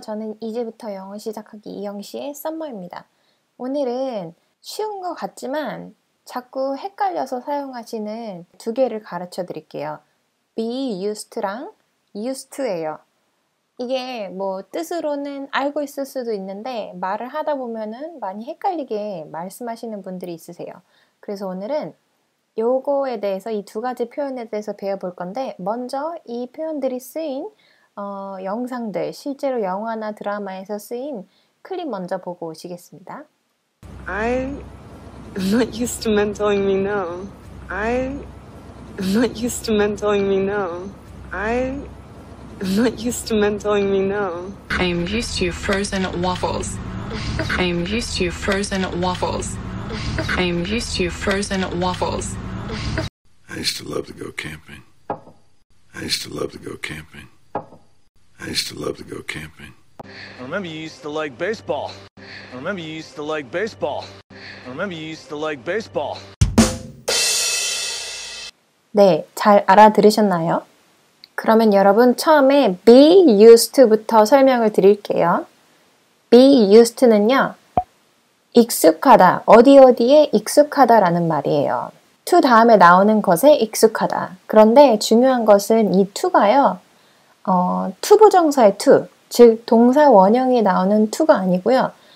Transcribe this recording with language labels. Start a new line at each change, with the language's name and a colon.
Korean: 저는 이제부터 영어 시작하기 이영 씨의 썸머입니다. 오늘은 쉬운 것 같지만 자꾸 헷갈려서 사용하시는 두 개를 가르쳐 드릴게요. be used랑 used예요. 이게 뭐 뜻으로는 알고 있을 수도 있는데 말을 하다 보면은 많이 헷갈리게 말씀하시는 분들이 있으세요. 그래서 오늘은 요거에 대해서 이두 가지 표현에 대해서 배워볼 건데 먼저 이 표현들이 쓰인 영상들, 실제로 영화나 드라마에서 쓰인 클립 먼저 보고 오시겠습니다.
English: I am not used to men telling me no. I am not used to men telling me no. I am not used to men telling me no. I am used to frozen waffles. I am used to frozen waffles. I am used to frozen waffles. I used to love to go camping. I used to love to go camping. I used to love to go camping. I remember you used to like baseball. I remember you used to like baseball. I remember you used to like baseball.
Korean: 네, 잘 알아들으셨나요? 그러면 여러분 처음에 be used부터 설명을 드릴게요. be used는요, 익숙하다, 어디 어디에 익숙하다라는 말이에요. to 다음에 나오는 것에 익숙하다. 그런데 중요한 것은 이 to가요, to부정사의 to, 즉 동사 원형이 나오는 to가 아니고요.